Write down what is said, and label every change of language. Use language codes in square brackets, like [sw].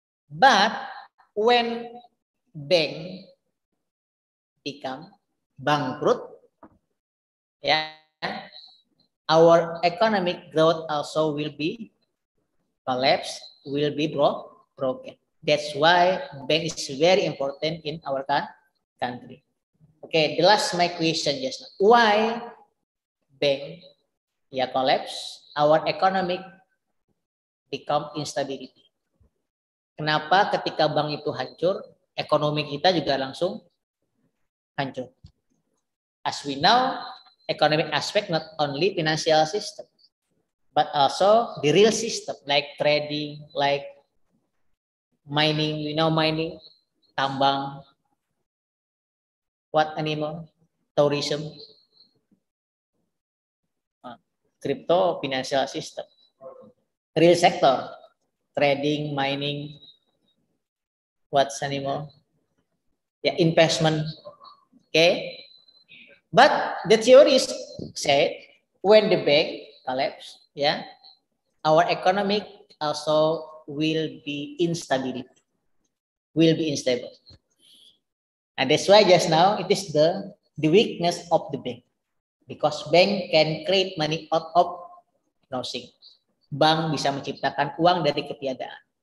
[en] But when bank become bankrupt, yeah, our economic growth also will be collapsed, will be broken. That's why bank is very important in our country. Okay, the last my question just now. Why bank yeah collapse, our economic become instability? [id] Kenapa ketika bank itu hancur, ekonomi kita juga langsung hancur? [en] As we know, economic aspect not only financial system, but also the real system, like trading, like mining, you know mining, tambang, what animal, tourism, crypto, financial system, real sector, trading, mining, what's anymore, yeah, investment, okay. But the theory is said when the bank collapse, yeah, our economic also will be instability, will be instable, and that's why just now it is the weakness of the bank. Because bank can create money out of nothing. [id] Bank bisa menciptakan uang dari ketiadaan.